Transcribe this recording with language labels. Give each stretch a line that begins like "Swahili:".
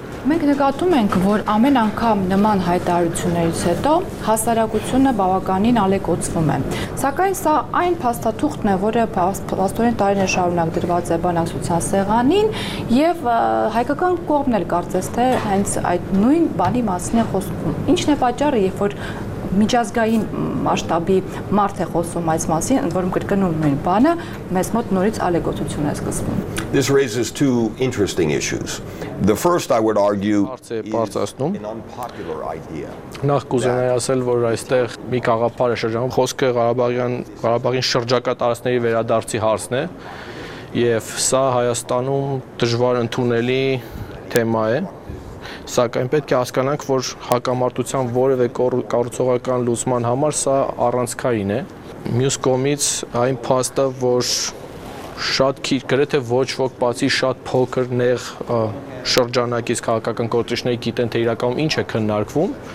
Armenian: Մենք նկատում ենք, որ ամեն անգամ նման հայտարարություններից հետո հասարակությունը բավականին ալեկոծվում է։ Սակայն սա այն փաստաթուղթն է, որը փաստորեն տարիներ շարունակ դրված է բանակցության սեղանին, և հայկական կողմն էլ կարծես թե հենց այդ նույն բանի մասին է խոսքում։ Ինչն է պատճառը, երբ որ միջազգային մասշտաբի մարդ է խոսում այս մասին, ընդ որում կրկնում նույն բանը, մեզ մոտ նորից ալեկոծություն է սկսվում։
English: This raises two interesting issues. The first, I would argue, is an unpopular idea.
Armenian: Նախ կուզենայի ասել, որ այստեղ մի գաղափար է շրջանում, խոսքը Ղարաբաղին շրջակա տարածքների վերադարձի հարցն է, և սա Հայաստանում դժվար ընդունելի թեմա է։ Սակայն պետք է հասկանանք, որ հակամարտության որևէ կառուցողական լուսման համար սա առանցքային է։ Մյուս կողմից այն փաստը, որ շատ քիչ, գրեթե ոչ ոք, բացի շատ փոքր նեղ շրջանակից քաղաքական գործիչների գիտեն, թե իրականում ինչ է քննարկվում,